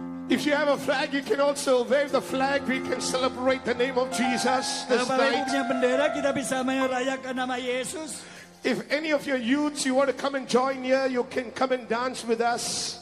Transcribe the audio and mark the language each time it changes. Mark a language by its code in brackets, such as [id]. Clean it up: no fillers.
[en] If you have a flag, you can also wave the flag. We can celebrate the name of Jesus this night. [id] Kalau punya bendera, kita bisa merayakan nama Yesus. [en] If any of your youths, you want to come and join here, you can come and dance with us.